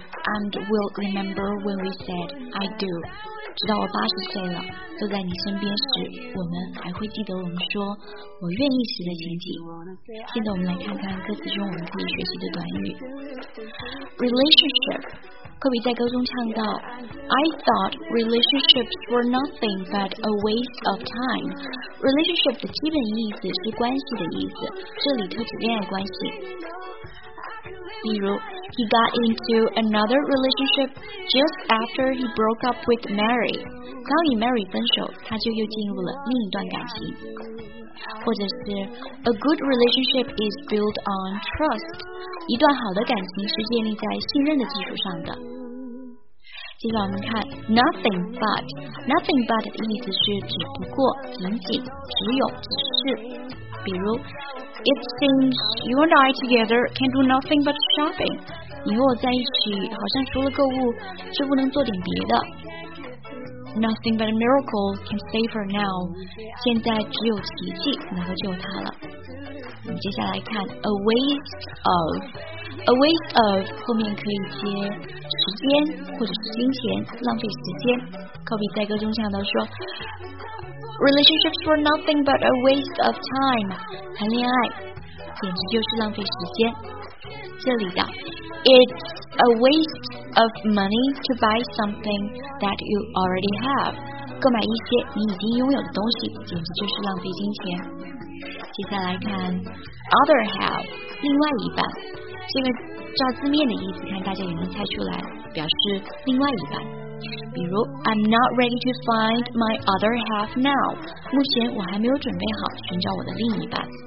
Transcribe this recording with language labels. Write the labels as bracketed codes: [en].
[en] and will remember when we said I do. [zh] 直到我八十岁了，坐在你身边时，我们还会记得我们说我愿意时的情景。现在我们来看看歌词中我们可以学习的短语。 [en] Relationship， [zh] 科比在歌中唱到 [en] ，I thought relationships were nothing but a waste of time。 [zh] Relationship 的基本意思是关系的意思，这里特指恋爱关系。比如 [en] ，He got into another relationship just after he broke up with Mary。 [zh] 刚与 Mary 分手，他就又进入了另一段感情。或者是 [en] ，A good relationship is built on trust。 [zh] 一段好的感情是建立在信任的基础上的。接下来我们看 ，nothing but 的意思是只不过、仅仅、只有、只是。比如 [en] ，It seems you and I together can do nothing but shopping。 [zh] 你和我在一起，好像除了购物，就不能做点别的。 [en] Nothing but a miracle can save her now。 [zh] 现在只有奇迹能够救她了。我们接下来看 a waste of 后面可以接时间或者是金钱，浪费时间。科比在歌中唱到说。 [en] Relationships were nothing but a waste of time. [zh] 谈恋爱简直就是浪费时间。这里的 [en] It's a waste of money to buy something that you already have. [zh] 购买一些你已经拥有的东西简直就是浪费金钱。接下来看 Other half， 另外一半。这个照字面的意思看大家也能猜出来，表示另外一半。比如 [en] I'm not ready to find my other half now， [zh] 目前我还没有准备好寻找我的另一半。